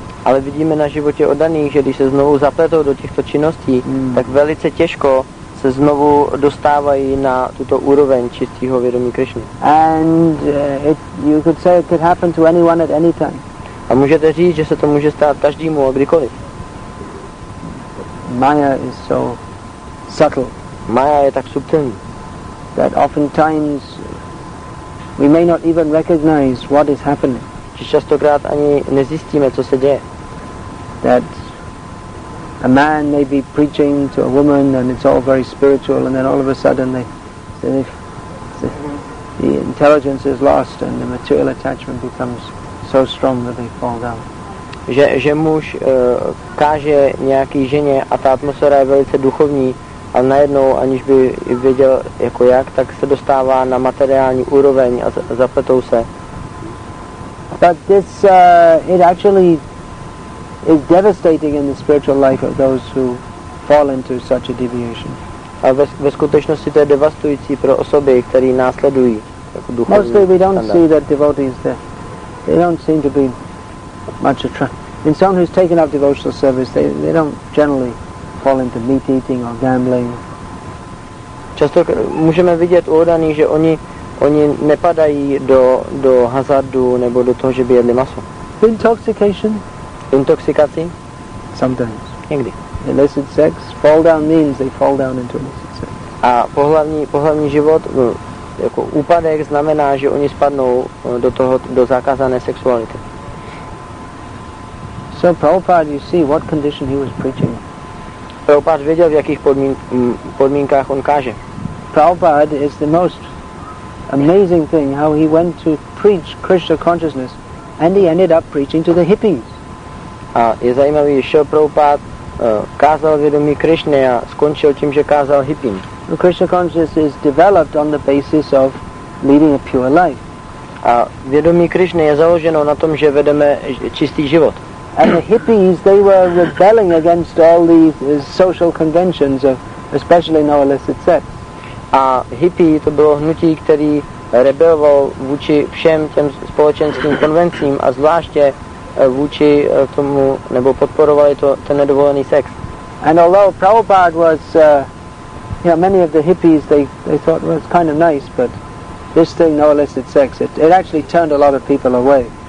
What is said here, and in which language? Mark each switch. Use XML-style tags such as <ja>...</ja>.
<cs>Ale vidíme na životě oddaných, že když se znovu zapletou do těchto činností, tak velice těžko se znovu dostávají na tuto úroveň čistého vědomí Krišny.</cs> <en>And you could say it could happen to anyone at any time.</en> <cs>A můžete říct, že se to může stát každému a kdykoliv.</cs> <en>Maya is so subtle.</en> <cs>Maya je tak subtilní.</cs> <en>That oftentimes we may not even recognize what is happening.</en> <cs>Že častokrát ani nezjistíme, co se děje.</cs> <en>That a man may be preaching to a woman and it's all very spiritual and then all of a sudden the intelligence is lost and the material attachment becomes so strong that they fall down.</en> <cs>Že muž káže nějaký ženě a ta atmosféra je velice duchovní, ale najednou, aniž by věděl jako jak, tak se dostává na materiální úroveň a zapletou se.</cs> <en>But this it actually is devastating in the spiritual life of those who fall into such a deviation.</en> <cs>A ve skutečnosti to je devastující pro osoby, které následují jako duchovní.</cs> <en>Mostly we don't see that devotees there. They don't seem to be much attracted. In someone who's taken up devotional service, they don't generally fall into meat eating or gambling.</en> <cs>Často můžeme vidět údajně, že oni nepadají do hazardu nebo do toho, že by jedli maso.</cs> <en>Intoxication?</en> <cs>Intoxikaci?</cs> <en>Sometimes.</en> <cs>Někdy.</cs> <en>Illicit sex? Fall down means they fall down into illicit sex.</en> <cs>A pohlavní život, jako úpadek, znamená, že oni spadnou do toho, do zakázané sexuality.</cs> <en>So Prabhupada, you see what condition he was preaching.</en> <cs>Prabhupada věděl, v jakých podmínkách on káže.</cs> <en>Prabhupada is the most amazing thing how he went to preach Krishna consciousness and he ended up preaching to the hippies.</en> <cs>A je zajímavý, že Prabhupád kázal vědomí Krišně a skončil tím, že kázal hippím.</cs> <en>Krishna consciousness is developed on the basis of leading a pure life.</en> <cs>A vědomí Krišně je založeno na tom, že vedeme čistý život.</cs> <en>And the hippies, they were rebelling against all these social conventions of especially no illicit sex.</en> <cs>A hippie to bylo hnutí, který rebeloval vůči všem těm společenským konvencím a zvláště vůči tomu, nebo podporovali to ten nedovolený sex.</cs> <en>And although Prabhupada was, many of the hippies, they thought, well, it's kind of nice, but this thing, no illicit sex, it actually turned a lot of people away.</en>